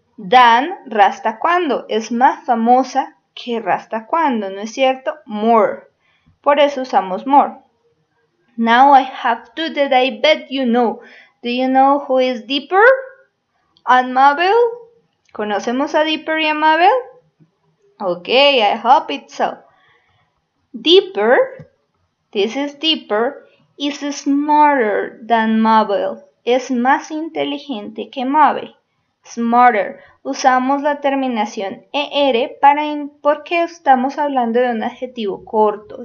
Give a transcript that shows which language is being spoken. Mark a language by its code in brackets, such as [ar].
[es] Dan Rastakwando es más famosa que Rastakwando, ¿no es cierto? More. Por eso usamos more. [en] Now I have two that I bet you know. Do you know who is Dipper and Mabel? [es] ¿Conocemos a Dipper y a Mabel? [en] Okay, I hope it's so. Dipper, this is Dipper, is smarter than Mabel. [es] Es más inteligente que Mabel. Smarter. Usamos la terminación er para porque estamos hablando de un adjetivo corto.